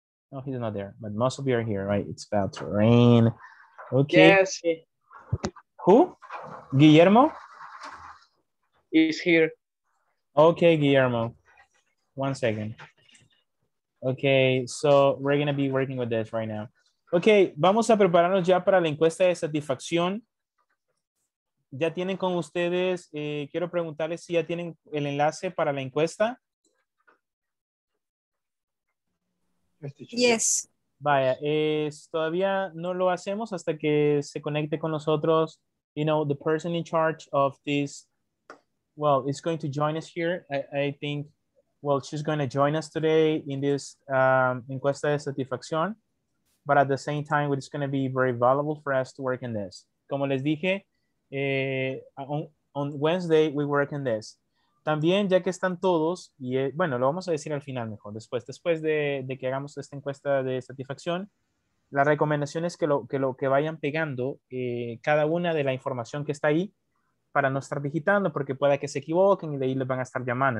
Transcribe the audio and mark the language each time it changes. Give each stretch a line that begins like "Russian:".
English: No, he's not there, but most of you are here, right? It's about to rain. Okay. Yes. Who? Guillermo? He's here. Okay, Guillermo. One second. Okay, so we're going to be working with this right now.
Spanish: Okay, vamos a prepararnos ya para la encuesta de satisfacción. Ya tienen con ustedes, quiero preguntarles si ya tienen el enlace para la encuesta.
English: Yes.
Spanish: Vaya, todavía no lo hacemos hasta que se conecte con nosotros.
English: You know, the person in charge of this, well, is going to join us here. I think, well, she's going to join us today in this
Spanish: encuesta de satisfacción.
English: But at the same time, it's going to be very valuable for us to work in this.
Spanish: Como les dije,
English: on Wednesday, we work in this.
Spanish: También, ya que están todos, y bueno, lo vamos a decir al final mejor, después de que hagamos esta encuesta de satisfacción, la recomendación es que vayan pegando cada una de la información que está ahí para no estar digitando, porque pueda que se equivoquen y de ahí les van a estar llamando.